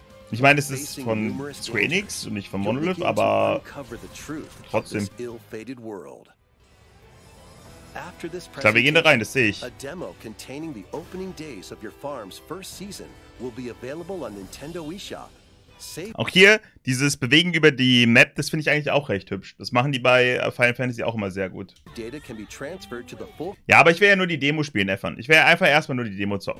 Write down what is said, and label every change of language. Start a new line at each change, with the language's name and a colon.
German: Ich meine, es ist von Square Enix und nicht von Monolith, aber trotzdem. Ich glaube, wir gehen da rein, das sehe ich.
English: A demo containing the opening days of your farm's first season will be available on Nintendo eShop.
German: Auch hier, dieses Bewegen über die Map, das finde ich eigentlich auch recht hübsch. Das machen die bei Final Fantasy auch immer sehr gut.
English: Data can be transferred to the full.
German: Ja, aber ich will ja nur die Demo spielen, Effern. Ich will ja einfach erstmal nur die Demo zocken.